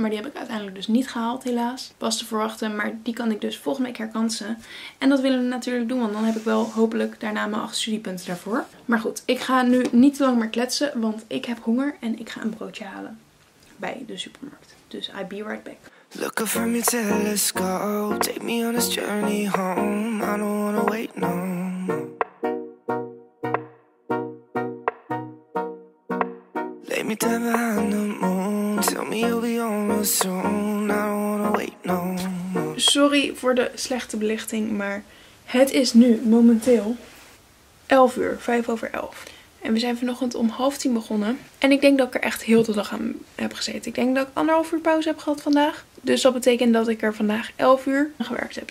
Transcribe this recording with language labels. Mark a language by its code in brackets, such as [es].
[nl] Maar die heb ik uiteindelijk dus niet gehaald helaas. Was te verwachten. Maar die kan ik dus volgende week herkansen. En dat willen we natuurlijk doen. Want dan heb ik wel hopelijk daarna mijn 8 studiepunten. Daarvoor. Maar goed, ik ga nu niet te lang meer kletsen, want ik heb honger en ik ga een broodje halen bij de supermarkt. [en] Dus I'll be right back. Looking from your telescope, take me on this journey home, I don't wanna wait no more. Lay me down behind the moon, tell me you'll be on the soon, I don't wanna wait no more. [nl] Sorry voor de slechte belichting, maar het is nu momenteel 11:05. En we zijn vanochtend om 9:30 begonnen. En ik denk dat ik er echt heel de dag aan heb gezeten. Ik denk dat ik 1,5 uur pauze heb gehad vandaag. Dus dat betekent dat ik er vandaag 11:00 gewerkt heb.